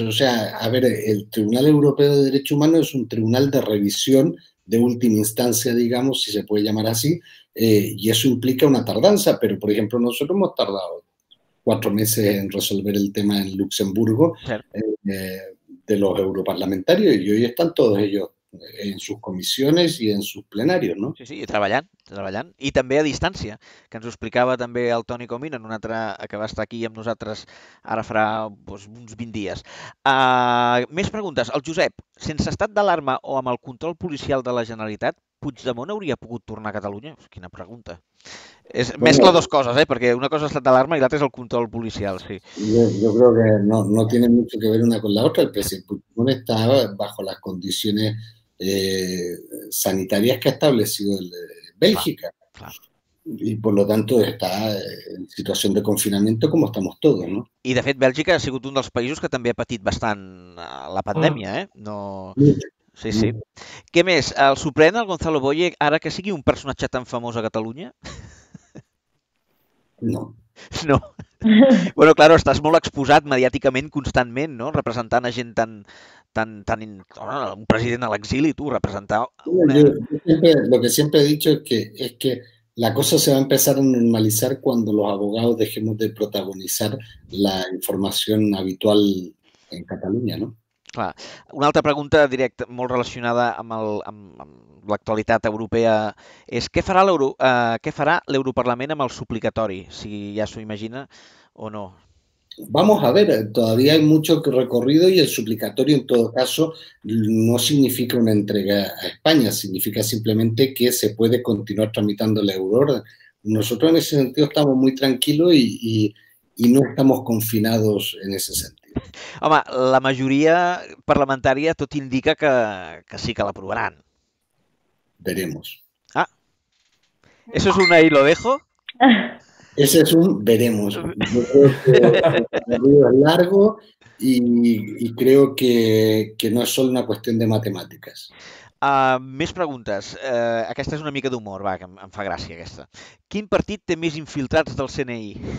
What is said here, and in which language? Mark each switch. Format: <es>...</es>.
<es>O sea, a ver, el Tribunal Europeo de Derecho Humano es un tribunal de revisión de última instancia, digamos, si se puede llamar así, y eso implica una tardanza. Pero, por ejemplo, nosotros hemos tardado 4 meses en resolver el tema en Luxemburgo, de los europarlamentarios, y hoy están todos ellos en sus</es> <ca>comissions i</ca> <es>en sus plenaris, no?</es> <ca>Sí, sí, i treballant, i també a distància, que ens ho explicava també el Toni Comín, en un altre que va estar aquí amb nosaltres ara farà uns 20 dies. Més preguntes. El Josep, sense estat d'alarma o amb el control policial de la Generalitat, Puigdemont hauria pogut tornar a Catalunya? Quina pregunta. És mescla dos coses, perquè una cosa ha estat d'alarma i l'altra és el control policial. Sí.</ca> <es>Yo creo que no tiene mucho que ver una con la otra. El presidente Puigdemont está bajo las condiciones sanitarias que ha establecido Bélgica. Claro. Y por lo tanto está en situación de confinamiento como estamos todos, ¿no?</es> <ca>I de fet, Bèlgica ha sigut un dels països que també ha patit bastant la pandèmia, eh? No... Sí, sí. Què més? El sorprèn el Gonzalo Boye ara que sigui un personatge tan famós a Catalunya? No. No. Bueno, claro, estàs molt exposat mediàticament constantment, no? Representant a gent tan... un president a l'exili, tu, representar...</ca> <es>Lo que siempre he dicho es que la cosa se va a empezar a normalizar cuando los abogados dejemos de protagonizar la información habitual en Catalunya, ¿no?</es> <ca>Clar. Una altra pregunta directa, molt relacionada amb l'actualitat europea, és què farà l'Europarlament amb el suplicatori, si ja s'ho imagina o no?</ca> <es>Vamos a ver, todavía hay mucho recorrido y el suplicatorio en todo caso no significa una entrega a España, significa simplemente que se puede continuar tramitando la euroorden. Nosotros en ese sentido estamos muy tranquilos y no estamos confinados en ese sentido.</es> <ca>Home, la majoria parlamentària tot indica que sí que l'aprovaran.</ca> <es>Veremos. Ah, eso es un ahí lo dejo. Ese es un veremos. Es largo y creo que no es solo una cuestión de matemáticas.</es> <ca>Més preguntes. Aquesta és una mica d'humor, va, que em fa gràcia aquesta. Quin partit té més infiltrats del CNI?</ca>